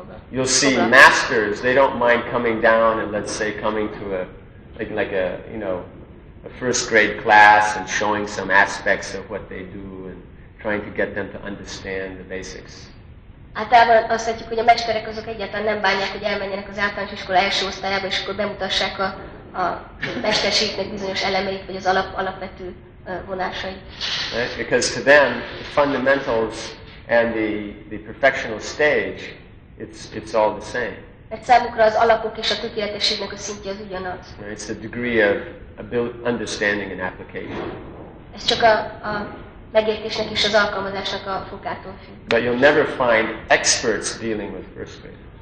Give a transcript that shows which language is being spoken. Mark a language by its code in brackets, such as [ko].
[en] You'll see masters, they don't mind coming down and let's say coming to a first grade class and showing some aspects of what they do and trying to get them to understand the basics. [hu] Általában azt látjuk, hogy a mesterek azok egyáltalán nem bánják, hogy elmenjenek az általános iskola első osztályába, és akkor bemutassák a mesterségnek bizonyos elemeit, vagy az alapvető vonásait. [en] Right? Because to them, the fundamentals and the perfectional stage, it's all the same. [hu] Mert számukra az alapok és a tökéletességnek a szintje az ugyanaz. [en] It's the degree of understanding and application. [hu] Ez csak a megértésnek és az alkalmazásnak a fokától függ. [en] But you'll never find experts dealing with first grade.